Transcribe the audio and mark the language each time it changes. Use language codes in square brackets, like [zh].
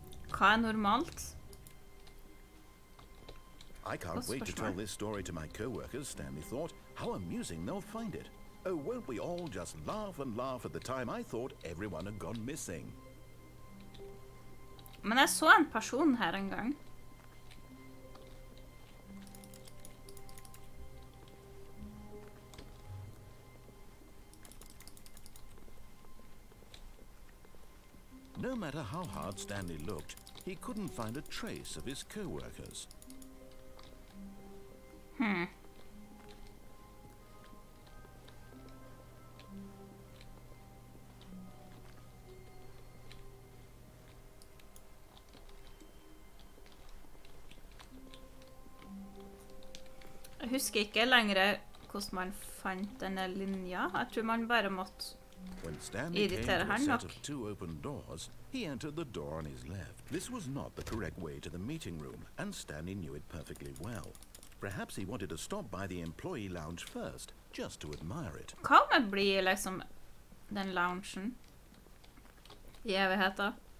[no] Hva er normalt? [en] I can't wait to tell this story to my co-workers, Stanley thought. How amusing they'll find it. Oh, won't we all just laugh and laugh at the time I thought everyone had gone missing? [no] Men jeg så en person her en gang. [en] No matter how hard Stanley looked, he couldn't find a trace of his co-workers. Hmm. [no] Jeg husker ikke lenger hvordan man fant denne linja. Jeg tror man bare måtte... [en] When Stanley came to a set of two open doors, he entered the door on his left. This was not the correct way to the meeting room, and Stanley knew it perfectly well. Perhaps he wanted to stop by the employee lounge first, just to admire it. [no] Hva om det blir liksom den loungen i evigheten?